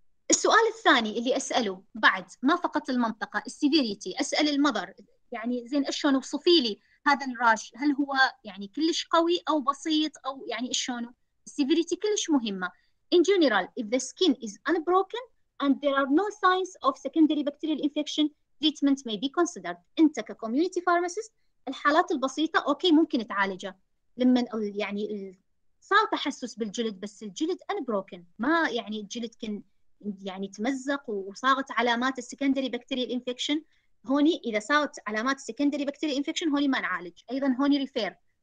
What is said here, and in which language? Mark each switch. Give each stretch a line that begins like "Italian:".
Arabic: السؤال الثاني اللي أسأله بعد ما فقط المنطقة السيفيريتي، أسأل المذر يعني زين إيشون وصفي لي هذا الراش، هل هو يعني كلش قوي أو بسيط أو يعني إيشون؟ السيفيريتي كلش مهمة.
English: In general, if the skin is unbroken and there are no signs of secondary bacterial infection, treatment may be considered.
Arabic: أنت ككوميونيتي فارماسيست الحالات البسيطة أوكي ممكن تعالجها، لما يعني صار تحسس بالجلد بس الجلد unbroken، ما يعني الجلد كان يعني تمزق وصارت علامات السكندري بكتيريال انفكشن، هوني اذا صارت علامات السكندري بكتيريال انفكشن هوني ما نعالج، ايضا هوني ريفير.